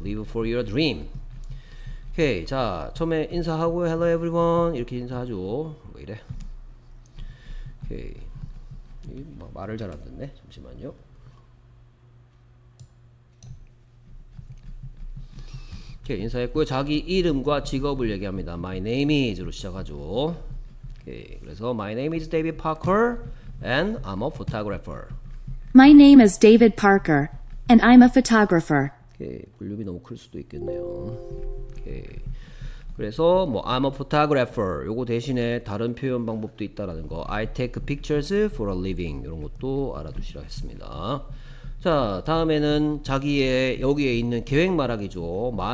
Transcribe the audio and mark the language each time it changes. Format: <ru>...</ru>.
<en>leave for your dream.</en> <ko>오케이. 자, 처음에 인사하고</ko> <en>Hello everyone</en> <ko>이렇게 인사하죠. 뭐 이래. 오케이. 막 말을 잘 안 듣네. 잠시만요. 오케이. 인사했고요. 자기 이름과 직업을 얘기합니다. My name is로 시작하죠. 오케이.</ko> <en>그래서 My name is David Parker and I'm a photographer. My name is David Parker and I'm a photographer.</en> <ko>오케이. 볼륨이 너무 클 수도 있겠네요. 그래서 뭐 I'm a photographer 요거 대신에 다른 표현 방법도 있다라는 거</ko> <en>I take pictures for a living</en> <ko>이런 것도 알아두시라 했습니다. 자, 다음에는 자기의 여기에 있는 계획 말하기죠.</ko>